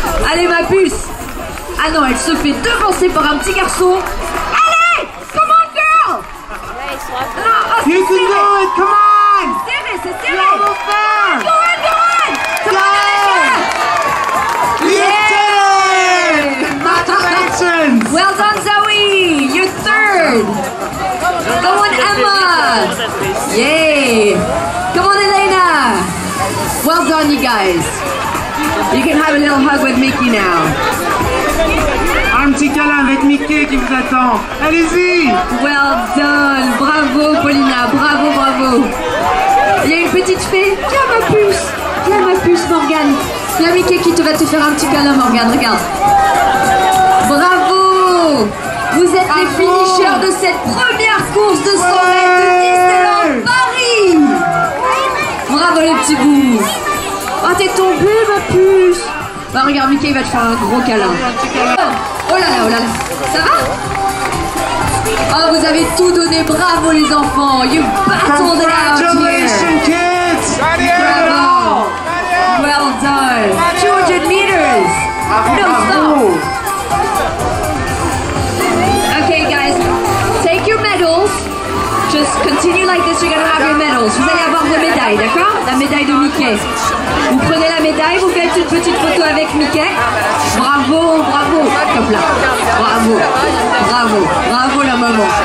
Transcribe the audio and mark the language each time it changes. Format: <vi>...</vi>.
<fr>Allez ma puce. Ah non, elle se fait devancer par un petit garçon.</fr> <en>Allez, come on, girl. Non, oh, you can do it, come on.</en> <fr>C'est serré, c'est serré.</fr> <en>Go on, go on. Come on, Zoe. You did it. Congratulations. Well done, Zoe. You're third. Come on, Emma. Yay. Come on, Elena. Well done, you guys. You can have a little hug with Mickey now.</en> <fr>Un petit câlin avec Mickey qui vous attend. Allez-y!</fr> <en>Well done!</en> <fr>Bravo, Paulina! Bravo, bravo! Il y a une petite fée. Viens, ma puce! Viens, ma puce, Morgane! Il y a Mickey qui va te faire un petit câlin, Morgane. Regarde. Bravo! Vous êtes les finishers de cette première course de 100 mètres de Disneyland Paris! Bravo, les petits bouts! Oh, t'es tombée, ma puce! Bah regarde, Mickey il va te faire un gros câlin. Oh là là, oh là là. Ça va? Oh, vous avez tout donné. Bravo les enfants.</fr> <en>You battled it out. Congratulations, kids. Bravo. Well done. 200 meters. No stop. Okay, guys. Take your medals. Just continue like this, you're gonna have your medals.</en> <fr>Vous allez avoir vos médailles, d'accord? La médaille de Mickey. Vous prenez la médaille, vous faites une petite photo avec Mickey. Bravo, bravo. Hop là. Bravo, bravo, bravo la maman.</fr>